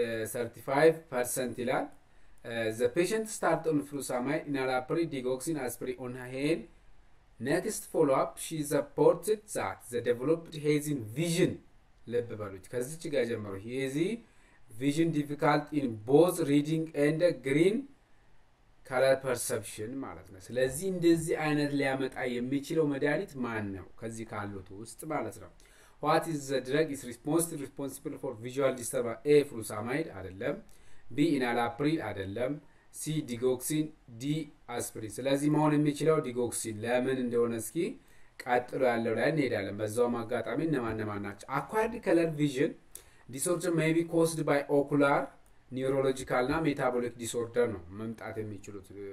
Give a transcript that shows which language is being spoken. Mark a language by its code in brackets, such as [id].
[am] 35% ይላል። [en] the patient start on furosemide enalapril digoxin aspirin on her hand next follow up she reported that the developed hazy vision [am] ልብ ባሉት ከዚህ ጋር ጀመሩ [en] hazy vision difficulty in both reading and green color perception ማለት ነው። [am] ስለዚህ እንደዚህ አይነት ሊያመጣ የሚችለው መድኃኒት ማን ነው ከዚህ ካሉት ውስጥ ማለት ነው። [en] What is the drug is responsible for visual disturbance? A. [am] furosemide አይደለም B. enalapril አይደለም C. [en] digoxin D. [am] aspirin ስለዚህ መሆን የሚችለው digoxin ለምን እንደሆነ እስኪ ቀጥሎ ያለው ላይ እንሄዳለን። በዛው ማጋጣሚ እነማን ናቸው [en] acquired color vision disorder may be caused by ocular neurological እና [am] metabolic disorder ነው መምጣት የሚችሉት